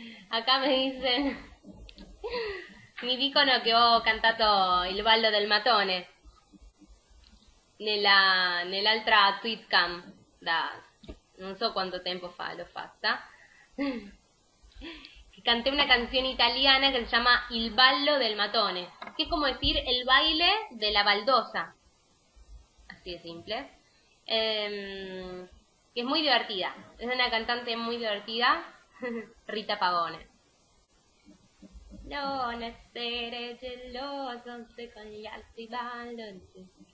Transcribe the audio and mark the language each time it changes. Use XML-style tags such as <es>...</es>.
<es>Acá me dicen mi icono que</es> <it>ho cantato il ballo del matone nell'altra tweetcam da non so quanto tempo fa l'ho fatta. Canté una canzone italiana che si chiama Il ballo del matone, che è come dire il</it> <es>baile</es> <it>della baldosa,</it> <es>así de simple. Que es muy divertida, es una cantante muy divertida, Rita Pavone.</es> <it>Non essere geloso se con gli altri balloni.</it>